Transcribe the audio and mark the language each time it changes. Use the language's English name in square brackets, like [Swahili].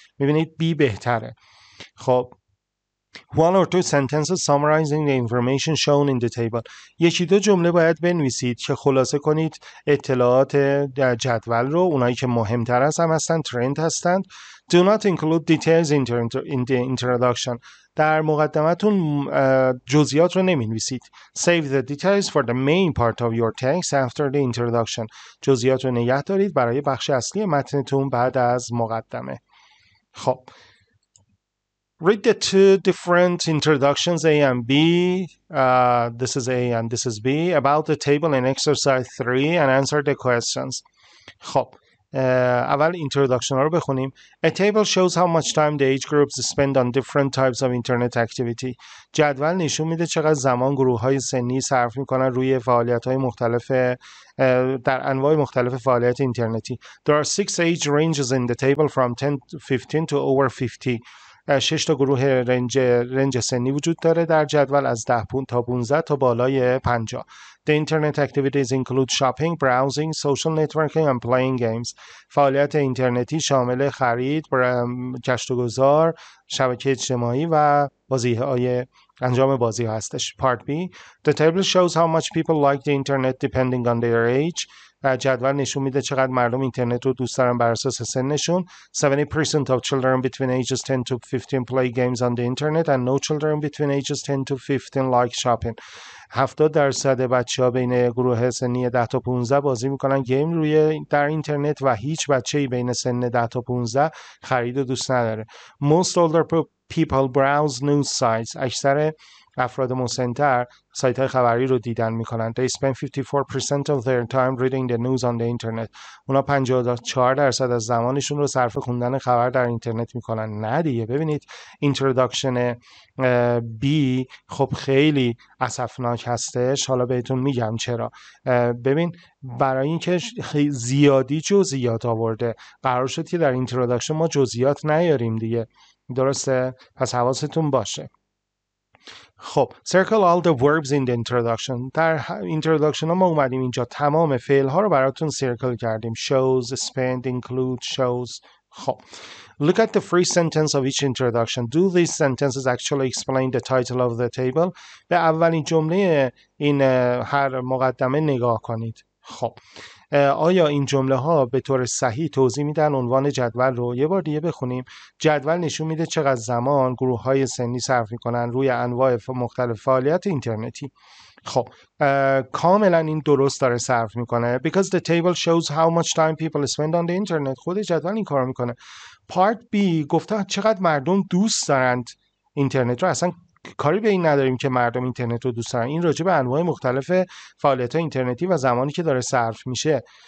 [Persian] میبینید بی بهتره. [English] خب One or two sentences summarizing the information shown in the table. [Persian] یکی دو جمله باید بنویسید که خلاصه کنید اطلاعات در جدول رو. اونایی که مهمتر از هم هستن، ترند هستن. [English] Do not include details in the introduction. [Persian] در مقدمتون جزئیات رو نمی‌نویسید. [English] Save the details for the main part of your text after the introduction. [Persian] جزئیات رو نگه دارید برای بخش اصلی متنتون بعد از مقدمه. [English] خب Read the two different introductions A and B. This is A and this is B. About the table in exercise 3 and answer the questions. [Persian] خب اول introduction رو بخونیم. [English] A table shows how much time the age groups spend on different types of internet activity. [Persian] جدول نشون میده چقدر زمان گروه های سنی صرف میکنن روی فعالیت های مختلف در انواع مختلف فعالیت اینترنتی. [English] There are 6 age ranges in the table from 10 to 15 to over 50. [Persian] 6 تا گروه رنج سنی وجود داره در جدول، از 10 تا 15 تا بالای 50. [English] The internet activities include shopping, browsing, social networking and playing games. [Persian] فعالیت اینترنتی شامل خرید، گشت و گذار، شبکه اجتماعی و انجام بازی هستش. [English] Part B. The table shows how much people like the internet depending on their age. [Persian] در جدول نشون میده چقدر مردم اینترنت رو دوست دارن بر اساس سنشون. [English] 70% of children between ages 10 to 15 play games on the internet and no children between ages 10 to 15 like shopping. [Persian] 70% بچه ها بین گروه سنی 10 تا 15 بازی میکنن گیم روی در اینترنت و هیچ بچه ای بین سن 10 تا 15 خرید و دوست نداره. [English] Most older people browse news sites. [Persian] اکثر افراد مسن‌تر سایت های خبری رو دیدن میکنن. [English] They spend 54% of their time reading the news on the internet. [Persian] اونا 54% از زمانشون رو صرف خوندن خبر در اینترنت میکنن. نه دیگه، ببینید introduction B خب خیلی اسفناک هستش، حالا بهتون میگم چرا. ببین برای اینکه زیادی جزئیات آورده، قرار شد که در introduction ما جزئیات نیاریم دیگه، درسته؟ پس حواستون باشه. [English] خب circle all the verbs in the introduction. [Persian] در introduction ما اومدیم اینجا تمام فعل ها رو براتون circle کردیم. [English] shows, spend, include, shows. خب look at the free sentence of each introduction. Do these sentences actually explain the title of the table? [Persian] به اولین جمله این هر مقدمه نگاه کنید. خب آیا این جمله ها به طور صحیح توضیح میدن عنوان جدول رو؟ یه بار دیگه بخونیم. جدول نشون میده چقدر زمان گروه های سنی صرف میکنن روی انواع مختلف فعالیت اینترنتی. خب کاملا این درست داره صرف میکنه. [English] Because the table shows how much time people spend on the internet. [Persian] خود جدول این کار میکنه. Part B گفته چقدر مردم دوست دارند اینترنت رو. اصلا کاری به این نداریم که مردم اینترنت رو دوست دارن، این راجع به انواع مختلف فعالیت‌های اینترنتی و زمانی که داره صرف میشه.